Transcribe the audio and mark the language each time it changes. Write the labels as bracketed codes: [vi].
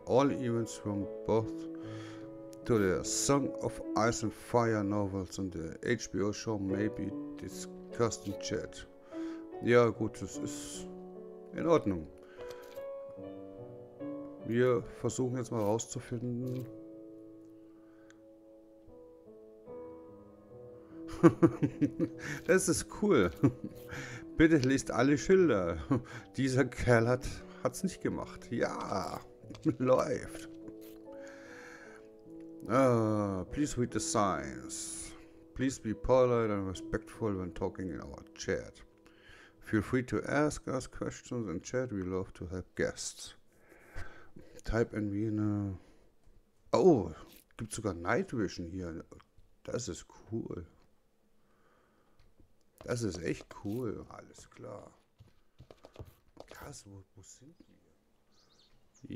[en] All events from both to the Song of Ice and Fire novels and the HBO show may be discussed in chat. [de] Ja, gut, das ist in Ordnung. Wir versuchen jetzt mal rauszufinden. Das ist cool. Bitte liest alle Schilder. Dieser Kerl hat's nicht gemacht. Ja, läuft. [en] Please read the signs. Please be polite and respectful when talking in our chat. Feel free to ask us questions in chat. We love to help guests. Type in Wiener. [de] Oh, gibt sogar Night Vision hier. Das ist cool. Das ist echt cool, alles klar. Krass, wo sind wir?